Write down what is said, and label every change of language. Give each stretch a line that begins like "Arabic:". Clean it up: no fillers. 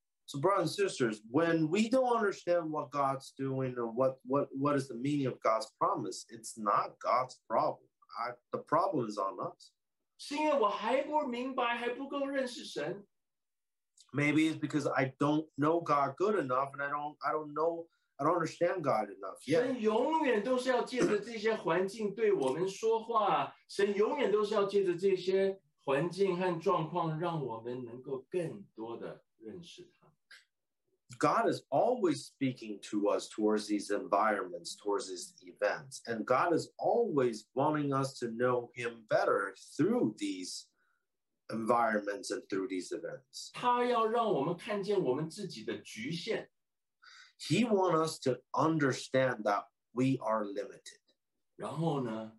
English: So brothers and sisters, when we don't understand what God's doing or what is the meaning of God's promise, it's not God's problem. The problem is on us.
Chinese: 是因为我还不明白，还不够认识神。
English: Maybe it's because I don't know God good enough, and I don't understand God enough yet.
Chinese: 神永远都是要借着这些环境对我们说话，神永远都是要借着这些环境和状况，让我们能够更多的认识他。
English: God is always speaking to us towards these environments, towards these events. And God is always wanting us to know him better through these environments and through these events. He wants us to understand that we are limited.